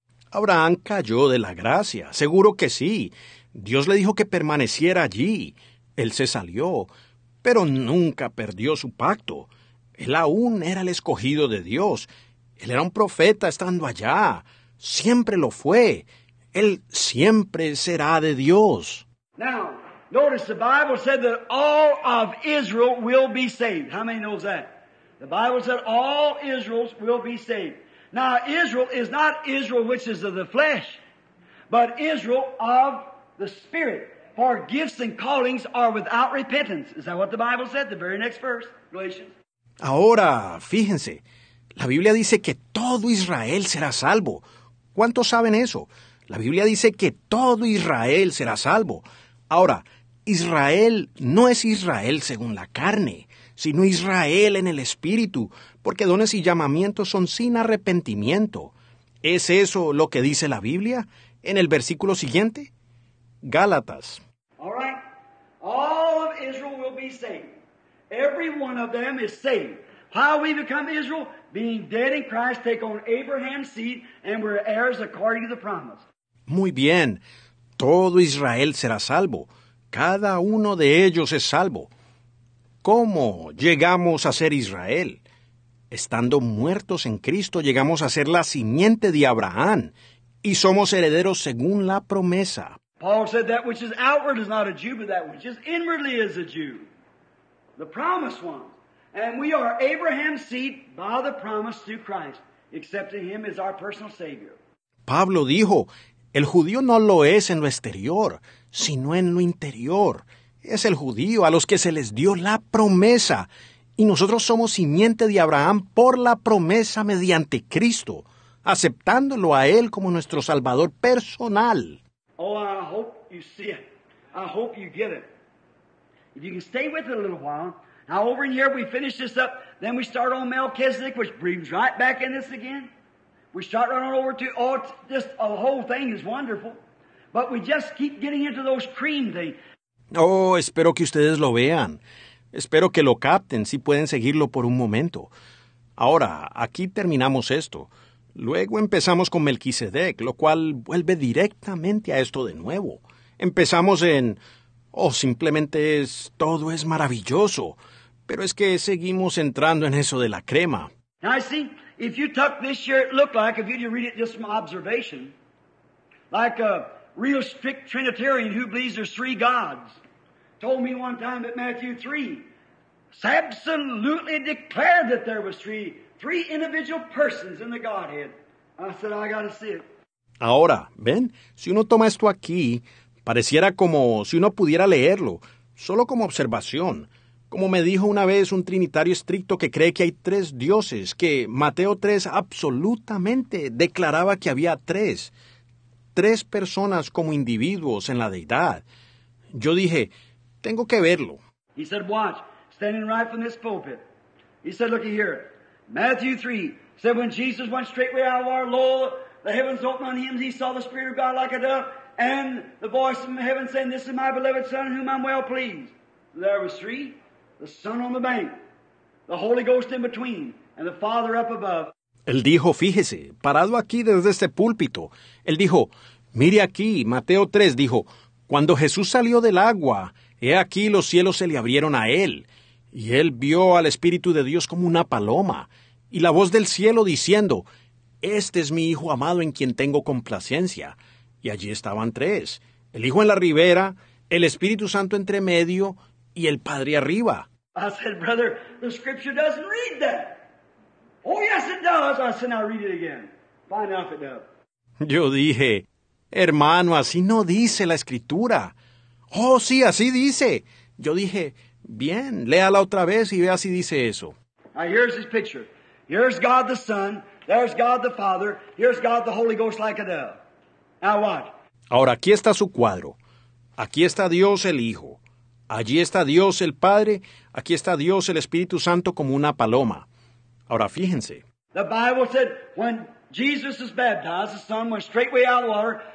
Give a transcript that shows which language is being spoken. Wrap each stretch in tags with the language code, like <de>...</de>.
<es>Abraham cayó de la gracia. Seguro que sí. Dios le dijo que permaneciera allí. Él se salió, pero nunca perdió su pacto. Él aún era el escogido de Dios. Él era un profeta estando allá. Siempre lo fue. Él siempre será de Dios.</es> <en>Now, notice the Bible said that all of Israel will be saved. How many knows that? The Bible said all Israels will be saved. Now, Israel is not Israel which is of the flesh, but Israel of the Spirit. For gifts and callings are without repentance. Is that what the Bible said? The very next verse, Galatians.</en> <es>Ahora, fíjense. La Biblia dice que todo Israel será salvo. ¿Cuántos saben eso? La Biblia dice que todo Israel será salvo. Ahora, Israel no es Israel según la carne, sino Israel en el Espíritu, porque dones y llamamientos son sin arrepentimiento. ¿Es eso lo que dice la Biblia en el versículo siguiente? Gálatas.</es> <en>All right. All of Israel will be saved. Every one of them is saved. How we become Israel? Being dead in Christ, take on Abraham's seed, and we're heirs according to the promise.</en> <es>Muy bien. Todo Israel será salvo. Cada uno de ellos es salvo. ¿Cómo llegamos a ser Israel? Estando muertos en Cristo, llegamos a ser la simiente de Abraham y somos herederos según la promesa.</es> <en>Paul said that which is outward is not a Jew, but that which is inwardly is a Jew. The promised one. And we are Abraham's seed by the promise through Christ, accepting him as our personal Savior.</en> <es>Pablo dijo, el judío no lo es en lo exterior, sino en lo interior. Es el judío a los que se les dio la promesa. Y nosotros somos simiente de Abraham por la promesa mediante Cristo, aceptándolo a él como nuestro Salvador personal.</es> <en>Oh, I hope you see it. I hope you get it. If you can stay with it a little while. Now, over in here, we finish this up. Then we start on Melchizedek, which brings right back in this again. We start running over to, oh, just the whole thing is wonderful. But we just keep getting into those cream things.</en> <es>Oh, espero que ustedes lo vean. Espero que lo capten, si pueden seguirlo por un momento. Ahora, aquí terminamos esto. Luego empezamos con Melquisedec, lo cual vuelve directamente a esto de nuevo. Empezamos en, oh, simplemente es, todo es maravilloso. Pero es que seguimos entrando en eso de la crema.</es> <en>Now, see, if you took this year, it looked like, if you didn't read it just from observation, like a real strict Trinitarian who believes there's three gods, told me one time that Matthew 3 absolutely declared that there was three individual persons in the Godhead. I said, I gotta see it.</en> <es>Ahora, ven, si uno toma esto aquí, pareciera como si uno pudiera leerlo, solo como observación. Como me dijo una vez un trinitario estricto que cree que hay tres dioses, que Mateo 3 absolutamente declaraba que había tres personas como individuos en la Deidad. Yo dije, tengo que verlo.</es> <en>He said, watch, standing right from this pulpit. He said, look here, Matthew 3, said when Jesus went straightway out of our law, the heavens opened on him, he saw the Spirit of God like a dove, and the voice from heaven saying, this is my beloved Son, whom I'm well pleased. There was three, the Son on the bank, the Holy Ghost in between, and the Father up above.</en> <es>Él dijo, fíjese, parado aquí desde este púlpito, él dijo, mire aquí, Mateo 3, dijo, cuando Jesús salió del agua, he aquí los cielos se le abrieron a él, y él vio al Espíritu de Dios como una paloma, y la voz del cielo diciendo, este es mi Hijo amado en quien tengo complacencia. Y allí estaban tres, el Hijo en la ribera, el Espíritu Santo entre medio, y el Padre arriba.</es> <en>I said, brother, the scripture doesn't read that. Oh, yes, it does. I said, now read it again. Find out if it does.</en> <es>Yo dije, Hermano, así no dice la Escritura. Oh, sí, así dice. Yo dije, bien, léala otra vez y vea si dice eso.</es> <en>Now here's his picture. Here's God the Son, there's God the Father, here's God the Holy Ghost like a dove. Now what?</en> <es>Ahora aquí está su cuadro. Aquí está Dios el Hijo. Allí está Dios el Padre. Aquí está Dios el Espíritu Santo como una paloma. Ahora fíjense.</es> <en>The Bible said when Jesus was baptized, the Son went straightway out of the water.</en>